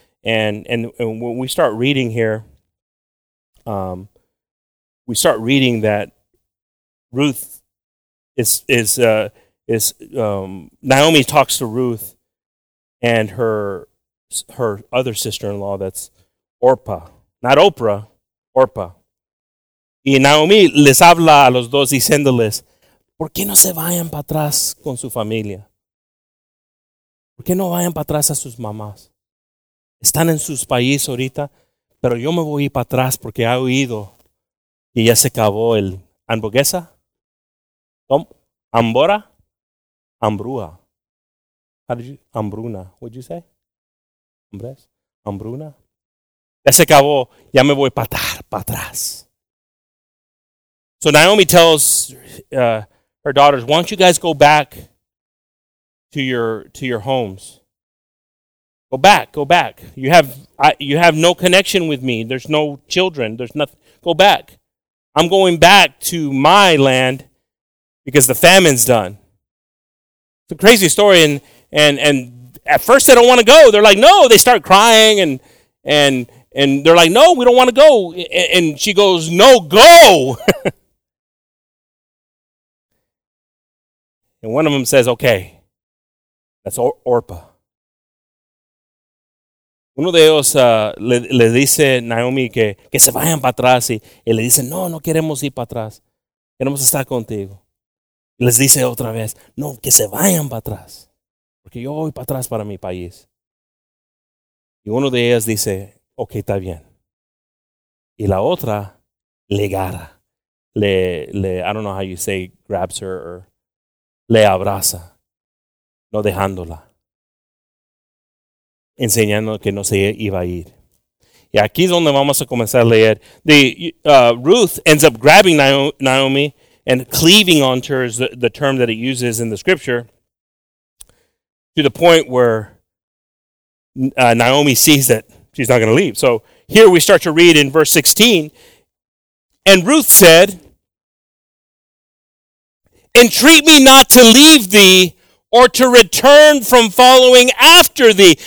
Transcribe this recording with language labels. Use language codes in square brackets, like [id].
[en] And when we start reading here, we start reading that Ruth Naomi talks to Ruth and her other sister-in-law, that's Orpah, not Oprah. Orpa. [es] Y Naomi les habla a los dos diciéndoles, ¿por qué no se vayan para atrás con su familia? ¿Por qué no vayan para atrás a sus mamás? Están en sus países ahorita, pero yo me voy para atrás porque he oído que ya se acabó el hamburguesa, ambora, hambrúa. Hambruna, [en] what did you say? [es] Hombres, hambruna. Ya se acabó, ya me voy para atrás. [en] So Naomi tells her daughters, why don't you guys go back to your homes? Go back. You have no connection with me. There's no children. There's nothing. Go back. I'm going back to my land because the famine's done. It's a crazy story. And at first they don't want to go. They're like, no. They start crying and they're like, no, we don't want to go. And she goes, no, go. And one of them says, okay, that's Orpah. [es] Uno de ellos le dice a Naomi que se vayan para atrás. Y le dice, no queremos ir para atrás. Queremos estar contigo. Y les dice otra vez, no, que se vayan para atrás. Porque yo voy para atrás para mi país. Y uno de ellos dice, ok, está bien. Y la otra le agarra. [en] Le, I don't know how you say, grabs her. [es] Or le abraza, no dejándola. Enseñando que no se iba a ir. Y aquí es donde vamos a comenzar a leer. [en] The Ruth ends up grabbing Naomi and cleaving onto her is the term that it uses in the scripture, to the point where Naomi sees that she's not going to leave. So here we start to read in verse 16, and Ruth said, "Entreat me not to leave thee, or to return from following after thee."